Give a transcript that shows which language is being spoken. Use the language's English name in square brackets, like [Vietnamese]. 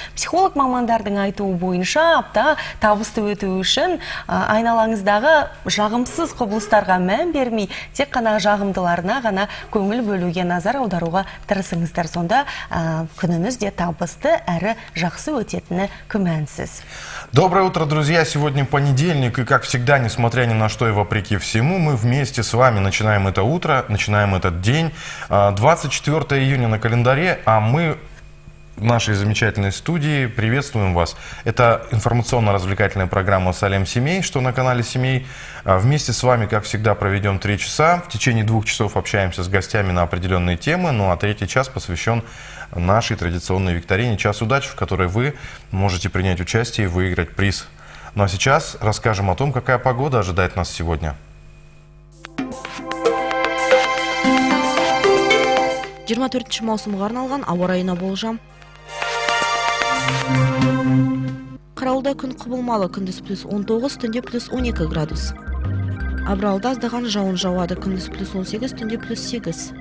[Kazakh] Психолог мамандардың айтуы бойынша апта табысты өту үшін айналаңыздағы жағымсыз құбылыстарға мән бермей, тек қана жағымдыларына ғана көңіл бөлуге назар аударуға тырысыңыздар. Сонда күніңіз де табысты әрі жақсы өтетіні күмәнсіз. [Russian] Доброе утро, друзья! Сегодня понедельник, и как всегда, несмотря ни на что и вопреки всему, мы вместе с вами начинаем это утро, начинаем этот день. 24 июня на календаре, а мы в нашей замечательной студии приветствуем вас. Это информационно-развлекательная программа «Салем Семей», что на канале «Семей». Вместе с вами, как всегда, проведем 3 часа. В течение 2 часов общаемся с гостями на определенные темы, ну а 3 час посвящен нашей традиционной викторине «Час удачи», в которой вы можете принять участие и выиграть приз. Ну а сейчас расскажем о том, какая погода ожидает нас сегодня. [Kazakh] 24-ші маусымға арналған ауа райына болжам. Қарауылда күн құбылмалы, күндіз плюс 19, түнде плюс 12 градус. Абралда аздаған жауын жауады, күндіз плюс 18, түнде плюс 8.